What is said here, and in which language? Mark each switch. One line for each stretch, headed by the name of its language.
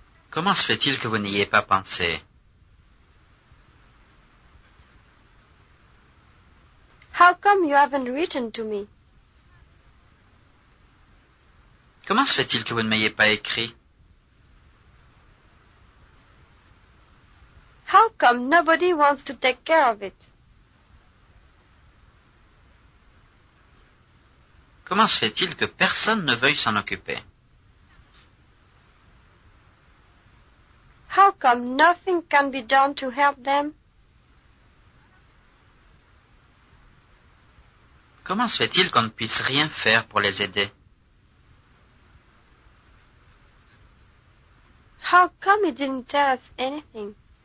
French: Comment se fait-il que vous n'y ayez pas pensé?
English: How come you haven't written to me?
French: Comment se fait-il que vous ne m'ayez pas écrit?
English: How come nobody wants to take care of it?
French: Comment se fait-il que personne ne veuille s'en occuper?
English: How come nothing can be done to help them?
French: Comment se fait-il qu'on ne puisse rien faire pour les aider?
English: How come he didn't tell us anything?